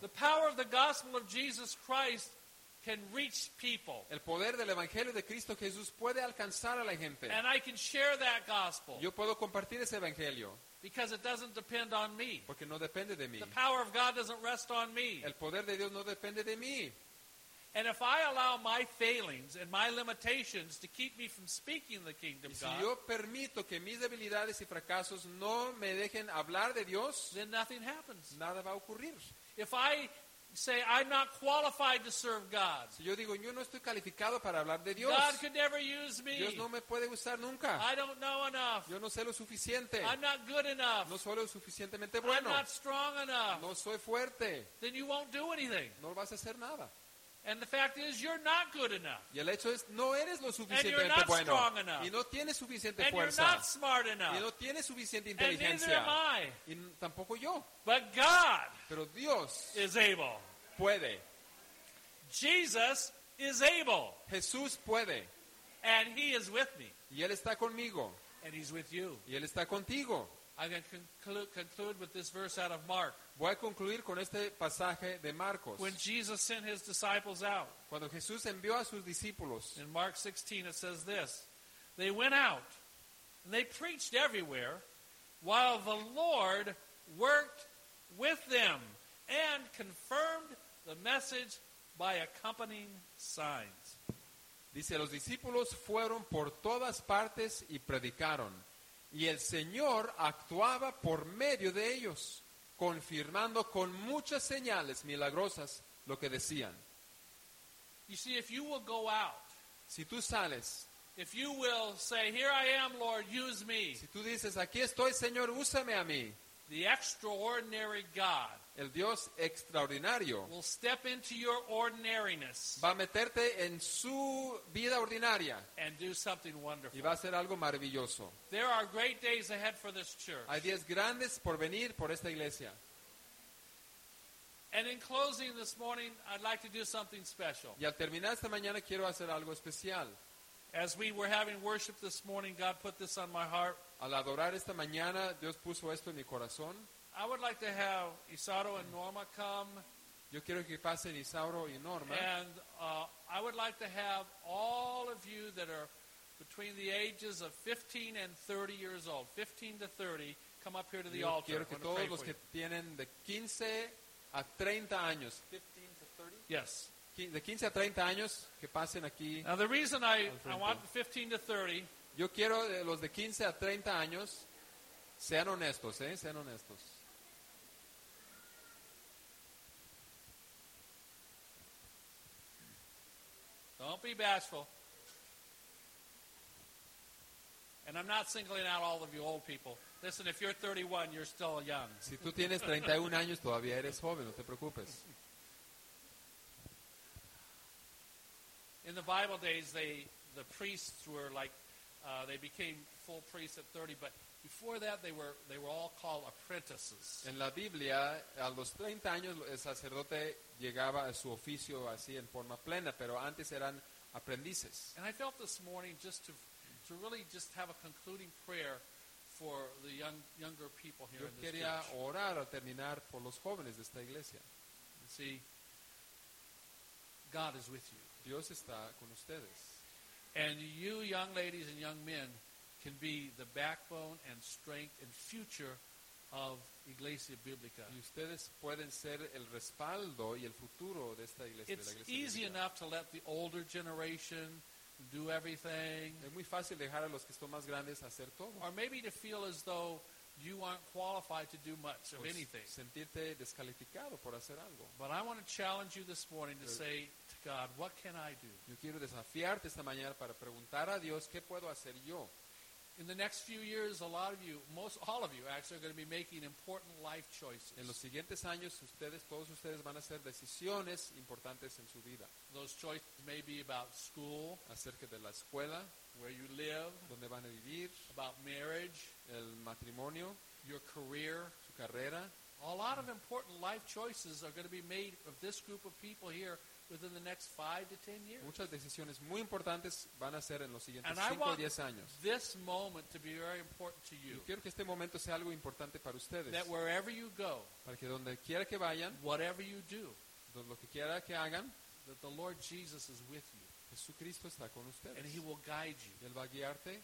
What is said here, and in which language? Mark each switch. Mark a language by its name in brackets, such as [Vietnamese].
[English] The power of the gospel of Jesus Christ can reach people. [Spanish] El poder del evangelio de Cristo Jesús puede alcanzar a la gente. [English] And I can share that gospel. [Spanish] Yo puedo compartir ese evangelio. [English] Because it doesn't depend on me. [Spanish] Porque no depende de mí. [English] The power of God doesn't rest on me. [Spanish] El poder de Dios no depende de mí. [English] And if I allow my failings and my limitations to keep me from speaking the kingdom of God, [Spanish] si yo permito que mis debilidades y fracasos no me dejen hablar de Dios, [English] then nothing happens. [Spanish] Nada va a ocurrir. [English] If I say I'm not qualified to serve God, [Spanish] si yo digo, yo no estoy calificado para hablar de Dios, [English] God could never use me. [Spanish] Dios no me puede usar nunca. [English] I don't know enough. [Spanish] Yo no sé lo suficiente. [English] I'm not good enough. [Spanish] No soy lo suficientemente bueno. [English] I'm not strong enough. [Spanish] No soy fuerte. [English] Then you won't do anything. [Spanish] No vas a hacer nada. [English] And the fact is, you're not good enough. [Spanish] Y el hecho es, no eres lo suficientemente bueno. [English] And you're not strong enough. [Spanish] Y no tienes suficiente fuerza. [English] And you're not smart enough. [Spanish] Y no tienes suficiente inteligencia. [English] And neither am I. [Spanish] Y tampoco yo. [English] But God. [Spanish] Pero Dios. [English] Is able. [Spanish] Puede. [English] Jesus is able. [Spanish] Jesús puede. [English] And he is with me. [Spanish] Y él está conmigo. [English] And he's with you. [Spanish] Y él está contigo. [English] I'm going to conclude with this verse out of Mark. [Spanish] Voy a concluir con este pasaje de Marcos. [English] When Jesus sent his disciples out. [Spanish] Cuando Jesús envió a sus discípulos. [English] In Mark 16 it says this. They went out and they preached everywhere while the Lord worked with them and confirmed the message by accompanying signs. [Spanish] Dice, los discípulos fueron por todas partes y predicaron. Y el Señor actuaba por medio de ellos, confirmando con muchas señales milagrosas lo que decían. [English] You see, if you will go out, [Spanish] si tú sales, [English] if you will say, "Here I am, Lord, use me." [Spanish] Si tú dices, "Aquí estoy, Señor, úsame a mí." [English] The extraordinary God. [Spanish] El Dios extraordinario. [English] Will step into your ordinariness. [Spanish] Va a meterte en su vida ordinaria. [English] And do something wonderful. [Spanish] Y va a hacer algo maravilloso. [English] There are great days ahead for this church. [Spanish] Hay días grandes por venir por esta iglesia. [English] And in closing this morning, I'd like to do something special. [Spanish] Y al terminar esta mañana quiero hacer algo especial. [English] As we were having worship this morning, God put this on my heart. [Spanish] Al adorar esta mañana, Dios puso esto en mi corazón. [English] I would like to have Isauro and Norma come. [Spanish] Yo quiero que pasen Isauro y Norma. [English] And I would like to have all of you that are between the ages of 15 and 30 years old, 15 to 30, come up here to the [Spanish] Yo [English] altar. [Spanish] Quiero que todos los que tienen de 15 a 30 años. [English] 15 to 30? Yes. [Spanish] De 15 a 30 años que pasen aquí. [English] Now the reason I want 15 to 30. [Spanish] Yo quiero los de 15 a 30 años. Sean honestos, ¿eh? Sean honestos. [English] Don't be bashful. And I'm not singling out all of you old people. Listen, if you're 31, you're still young. [Spanish] Si tú tienes 31 años, todavía eres joven, no te preocupes. [English] In the Bible days, the priests were like, they became full priests at 30, but before that, they were all called apprentices. [Spanish] En la Biblia, a los 30 años, el sacerdote llegaba a su oficio así en forma plena, pero antes eran aprendices. [English] And I felt this morning just to really just have a concluding prayer for the younger people here in this church. [Spanish] Yo quería orar al terminar por los jóvenes de esta iglesia. [English] You see, God is with you. [Spanish] Dios está con ustedes. [English] And you young ladies and young men can be the backbone and strength and future of Iglesia Bíblica. [Spanish] Y ustedes pueden ser el respaldo y el futuro de esta iglesia. [English] It's [Spanish] de la iglesia [English] easy [Spanish] Bíblica. [English] Enough to let the older generation do everything. [Spanish] Es muy fácil dejar a los que son más grandes hacer todo. [English] Or maybe to feel as though you aren't qualified to do much of anything. [Spanish] Sentirte descalificado por hacer algo. [English] But I want to challenge you this morning to say to God, what can I do? [Spanish] Yo quiero desafiarte esta mañana para preguntar a Dios, ¿qué puedo hacer yo? [English] In the next few years, a lot of you, most all of you actually, are going to be making important life choices. [Spanish] En los siguientes años, ustedes, todos ustedes van a hacer decisiones importantes en su vida. [English] Those choices may be about school, [Spanish] acerca de la escuela, [English] where you live, [Spanish] donde van a vivir, [English] about marriage, [Spanish] el matrimonio, [English] your career, [Spanish] su carrera. [English] A lot of important life choices are going to be made of this group of people here within the next 5 to 10 years. [Spanish] Muchas decisiones muy importantes van a ser en los siguientes 5 o 10 años. [English] And I want this moment to be very important to you. [Spanish] Y quiero que este momento sea algo importante para ustedes. [English] That wherever you go, [Spanish] para que donde quiera que vayan, [English] whatever you do, [Spanish] lo que quiera que hagan, [English] that the Lord Jesus is with you. [Spanish] Jesucristo está con ustedes. [English] And he will guide you. [Spanish] Y él va a guiarte.